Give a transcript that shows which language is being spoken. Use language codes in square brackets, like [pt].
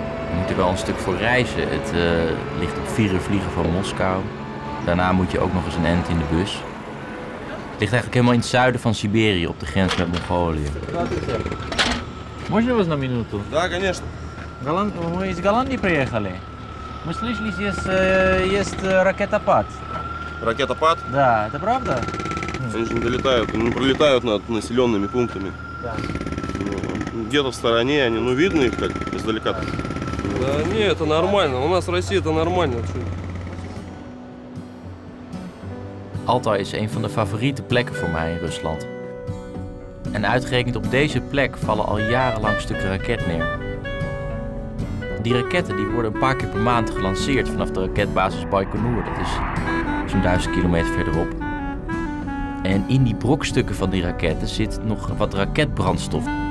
[nl] We moeten wel een stuk voor reizen, het ligt op 4 uur vliegen van Moskou. Daarna moet je ook nog eens een end in de bus. Het ligt eigenlijk helemaal in het zuiden van Siberië, op de grens met Mongolië. Mag je een minuut? Ja, natuurlijk. We zijn uit Galandi gekomen. [ru] Мы слышали, здесь есть ракетопад. Ракетопад? Да, это правда? Они же не долетают, они пролетают над населенными пунктами. Да. Где-то в стороне они, ну, видно их как издалека. Да, да не, это нормально, у нас в России это нормально. [nl] Алтай is een van de favoriete plekken voor mij in Rusland. En uitgerekend op deze plek vallen al jarenlang stukken raket neer. Die raketten die worden een paar keer per maand gelanceerd vanaf de raketbasis Baikonur. Dat is zo'n 1000 kilometer verderop. En in die brokstukken van die raketten zit nog wat raketbrandstof.